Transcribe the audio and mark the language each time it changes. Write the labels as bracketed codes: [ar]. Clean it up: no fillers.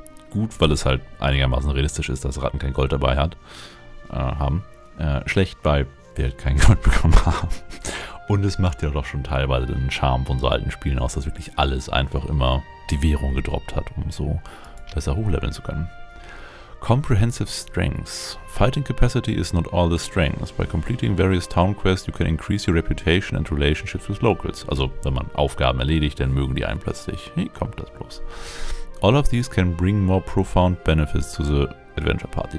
[de] Gut, weil es halt einigermaßen realistisch ist, dass Ratten kein Gold dabei hat. Schlecht, weil wir halt kein Gold bekommen haben. Und es macht ja doch schon teilweise den Charme von so alten Spielen aus, dass wirklich alles einfach immer die Währung gedroppt hat, um so besser hochleveln zu können. [en] Comprehensive Strengths. Fighting capacity is not all the strengths. By completing various town quests, you can increase your reputation and relationships with locals. [de] Also, wenn man Aufgaben erledigt, dann mögen die einen plötzlich. Wie kommt das bloß? [en] All of these can bring more profound benefits to the adventure party.